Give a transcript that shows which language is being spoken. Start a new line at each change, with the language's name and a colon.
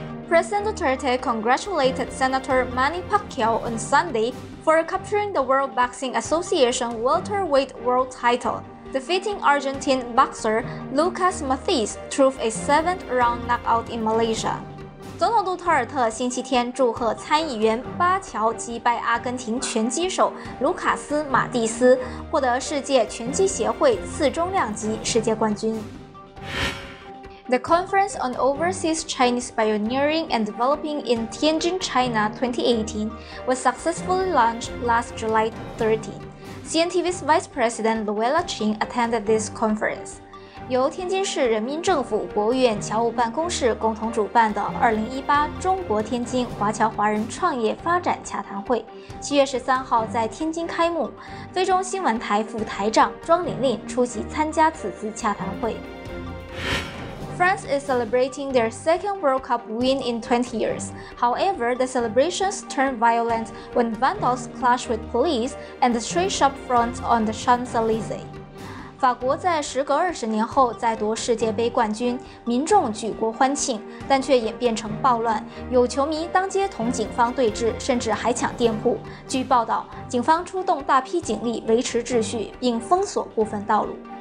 English: President Duterte congratulated Senator Manny Pacquiao on Sunday for capturing the World Boxing Association welterweight world title, defeating Argentine boxer Lucas Matthys through a seventh-round knockout in Malaysia.
Chinese: 总统杜特尔特星期天祝贺参议员巴乔击败阿根廷拳击手卢卡斯·马蒂斯，获得世界拳击协会次中量级世界冠军。
English: The Conference on Overseas Chinese Pioneering and Developing in Tianjin, China 2018 was successfully launched last July 13. CNTV's Vice President Luella Ching attended this conference.
Chinese: 由天津市人民政府国务院侨务办公室共同主办的2018中国天津华侨华人创业发展洽谈会7月13号在天津开幕，非中新闻台副台长庄玲玲出席参加此次洽谈会。
English: France is celebrating their second World Cup win in 20 years. However, the celebrations turned violent when vandals clashed with police and the street shop front on the Champs-Élysées.
Chinese: 法国在时隔20年后再夺世界杯冠军，民众举国欢庆，但却演变成暴乱，有球迷当街同警方对峙，甚至还抢店铺。据报道，警方出动大批警力维持秩序，并封锁部分道路。